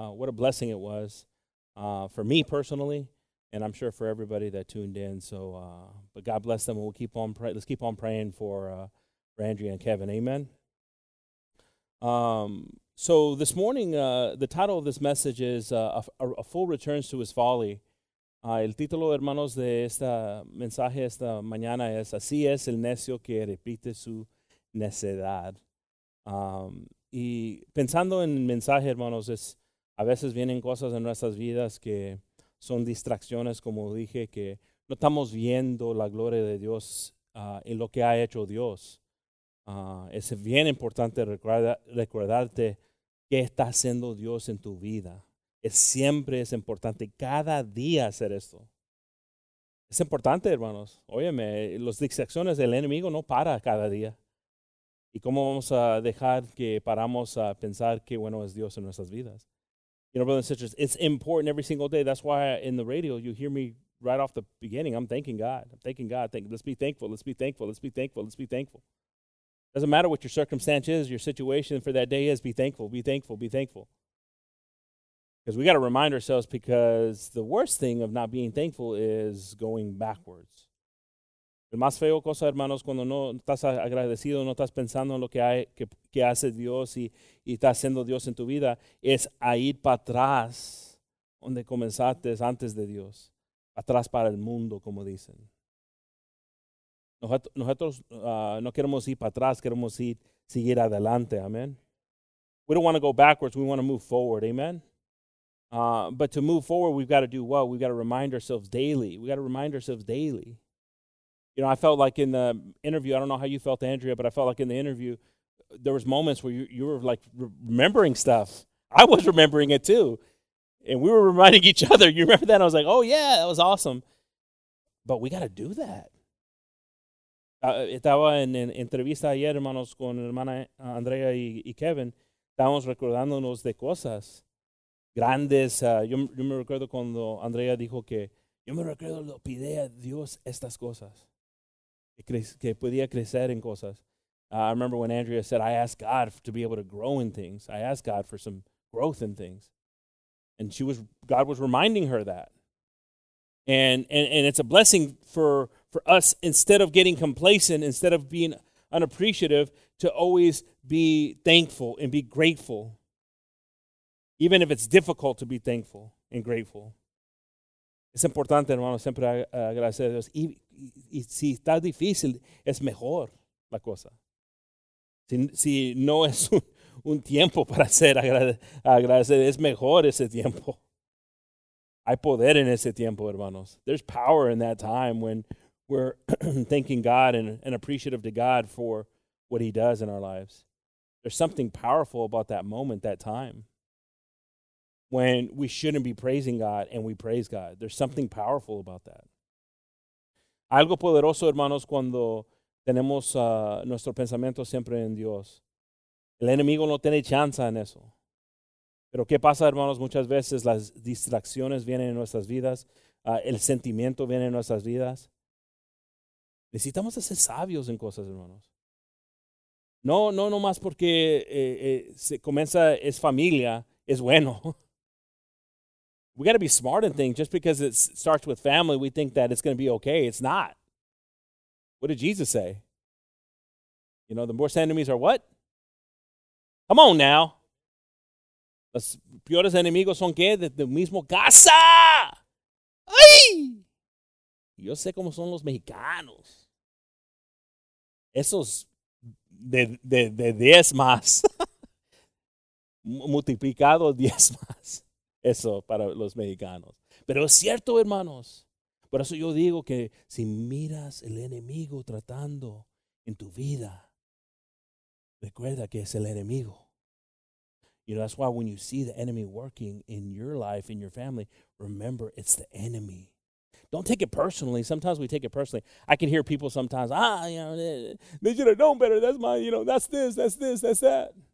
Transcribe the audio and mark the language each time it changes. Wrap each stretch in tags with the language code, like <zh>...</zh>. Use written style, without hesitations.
<en>What a blessing it was for me personally. And I'm sure for everybody that tuned in. So, but God bless them. We'll keep on praying. Let's keep on praying for Andrea and Kevin. Amen. So this morning, the title of this message is "A Fool Returns to His Folly."</en> <es>El título, hermanos, de esta mensaje esta mañana es "Así es el necio que repite su necedad." Y pensando en el mensaje, hermanos, es a veces vienen cosas en nuestras vidas que son distracciones, como dije, que no estamos viendo la gloria de Dios en lo que ha hecho Dios. Es bien importante recordarte qué está haciendo Dios en tu vida. Siempre es importante cada día hacer esto. Es importante, hermanos. Óyeme, las distracciones del enemigo no para cada día. ¿Y cómo vamos a dejar que paramos a pensar qué bueno es Dios en nuestras vidas?</es> <en>You know, brothers and sisters, it's important every single day. That's why in the radio, you hear me right off the beginning. I'm thanking God. I'm thanking God. Let's be thankful. Let's be thankful. Let's be thankful. Let's be thankful. Doesn't matter what your circumstance is, your situation for that day is, be thankful, be thankful, be thankful. Because we got to remind ourselves, because the worst thing of not being thankful is going backwards.</en> <es>El más feo cosa, hermanos, cuando no estás agradecido, no estás pensando en lo que hay que hace Dios y está haciendo Dios en tu vida, es a ir para atrás donde comenzaste antes de Dios, atrás para el mundo, como dicen. Nosotros no queremos ir para atrás, queremos ir seguir adelante, amen.</es> <en>We don't want to go backwards, we want to move forward, amen. But to move forward, we've got to do well. We've got to remind ourselves daily. We've got to remind ourselves daily. You know, I felt like in the interview, I don't know how you felt, Andrea, but I felt like in the interview, there was moments where you were like remembering stuff. I was remembering it too. And we were reminding each other. You remember that? I was like, oh yeah, that was awesome. But we got to do that.</en> <es>Estaba en entrevista ayer, hermanos, con hermana Andrea y Kevin. Estábamos recordándonos de cosas grandes. Yo me recuerdo cuando Andrea dijo que yo me recuerdo lo pide a Dios estas cosas. Que podía crecer en cosas.</es> <en>I remember when Andrea said, I asked God to be able to grow in things. I asked God for some growth in things. And God was reminding her that. And it's a blessing for us, instead of getting complacent, instead of being unappreciative, to always be thankful and be grateful. Even if it's difficult to be thankful and grateful.</en> <es>Es importante, hermano, siempre agradecer a Dios. Y si está difícil, es mejor la cosa. Si no es un tiempo para ser agradecer, es mejor ese tiempo. Hay poder en ese tiempo, hermanos.</es> <en>There's power in that time when we're thanking God and appreciative to God for what he does in our lives. There's something powerful about that moment, that time. When we shouldn't be praising God and we praise God. There's something powerful about that.</en> <es>Algo poderoso, hermanos, cuando tenemos nuestro pensamiento siempre en Dios. El enemigo no tiene chance en eso. Pero qué pasa, hermanos, muchas veces las distracciones vienen en nuestras vidas. El sentimiento viene en nuestras vidas. Necesitamos ser sabios en cosas, hermanos. No más porque se comienza, es familia, es bueno.</es> <en>We got to be smart and think just because it starts with family, we think that it's going to be okay. It's not. What did Jesus say? You know, the worst enemies are what? Come on now.</en> <es>Los peores enemigos son qué? De mismo casa. ¡Ay! Yo sé cómo son los mexicanos. Esos de 10 más. Multiplicado 10 más. Eso para los mexicanos. Pero es cierto, hermanos. Por eso yo digo que si miras el enemigo tratando en tu vida, recuerda que es el enemigo.</es> <en>You know, that's why when you see the enemy working in your life, in your family, remember it's the enemy. Don't take it personally. Sometimes we take it personally. I can hear people sometimes, you know, they should have known better. That's my, you know, that's this, that's that.</en>